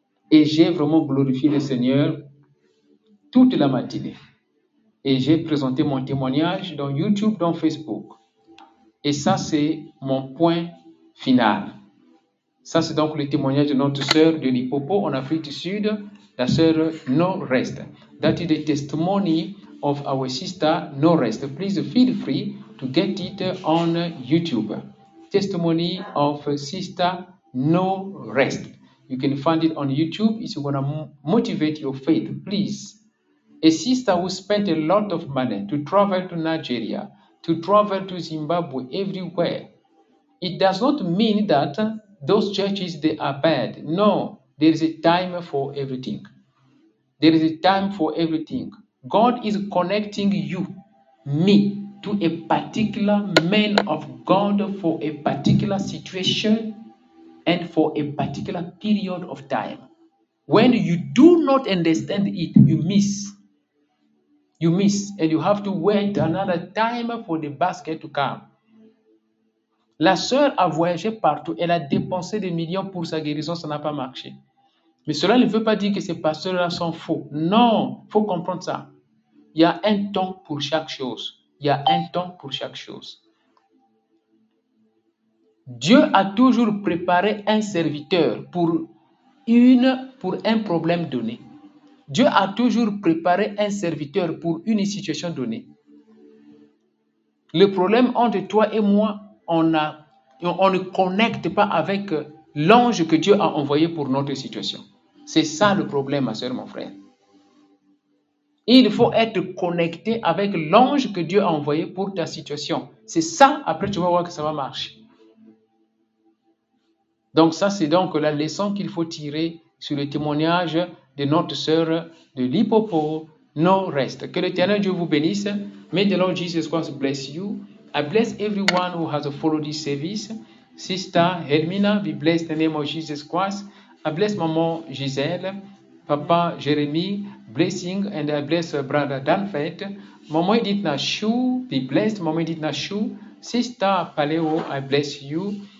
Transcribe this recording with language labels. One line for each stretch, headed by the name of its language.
French: Et j'ai vraiment glorifié le Seigneur toute la matinée. Et j'ai présenté mon témoignage dans YouTube, dans Facebook. Et ça, c'est mon point final. Ça, c'est donc le témoignage de notre sœur de Limpopo en Afrique du Sud, la sœur Norest.
English: That is the testimony of our sister Norest. Please feel free to get it on YouTube. Testimony of Sister Norest. You can find it on YouTube. It's going to motivate your faith, please. A sister who spent a lot of money to travel to Nigeria, to travel to Zimbabwe, everywhere. It does not mean that those churches, they are bad. No, there is a time for everything. There is a time for everything. God is connecting you, me, to a particular man of God for a particular situation and for a particular period of time. When you do not understand it, you miss. You miss, and you have to wait another time for the basket to come.
French: La sœur a voyagé partout. Elle a dépensé des millions pour sa guérison. Ça n'a pas marché. Mais cela ne veut pas dire que ces pasteurs-là sont faux. Non, il faut comprendre ça. Il y a un temps pour chaque chose. Il y a un temps pour chaque chose. Dieu a toujours préparé un serviteur pour un problème donné. Dieu a toujours préparé un serviteur pour une situation donnée. Le problème entre toi et moi, on ne connecte pas avec l'ange que Dieu a envoyé pour notre situation. C'est ça le problème, ma soeur, mon frère. Il faut être connecté avec l'ange que Dieu a envoyé pour ta situation. C'est ça, après tu vas voir que ça va marcher. Donc ça, c'est donc la leçon qu'il faut tirer sur le témoignage de notre sœur de Lipopo, non reste. Que l'Éternel Dieu vous bénisse.
English: May the Lord Jesus Christ bless you. I bless everyone who has followed this service. Sister Hermina, be blessed in the name of Jesus Christ. I bless Maman Giselle, Papa Jeremy, blessing, and I bless Brother Danfait. Maman Edith Nashu, be blessed. Maman Edith Nashu, Sister Paleo, I bless you.